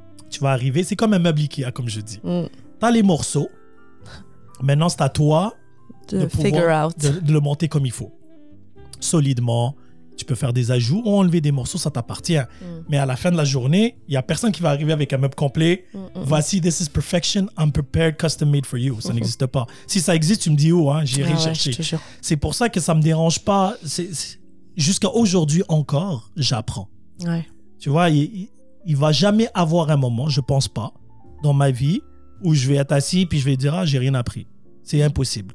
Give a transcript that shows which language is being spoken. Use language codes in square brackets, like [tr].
[fr] Tu vas arriver, c'est comme un meuble IKEA, comme je dis. Mm. Tu as les morceaux. Maintenant, c'est à toi [en] de figure out. [fr] De le monter comme il faut. Solidement. Tu peux faire des ajouts ou enlever des morceaux, ça t'appartient. Mm. Mais à la fin de la journée, il n'y a personne qui va arriver avec un meuble complet. Mm-mm. [en] Voici, this is perfection, I'm prepared, custom made for you. [fr] Ça n'existe pas. Si ça existe, tu me dis où, hein? J'irai chercher. Ouais, c'est pour ça que ça ne me dérange pas. Jusqu'à aujourd'hui encore, j'apprends. Ouais. Tu vois, il ne va jamais avoir un moment, je ne pense pas, dans ma vie, où je vais être assis et je vais dire, ah, j'ai rien appris. C'est impossible.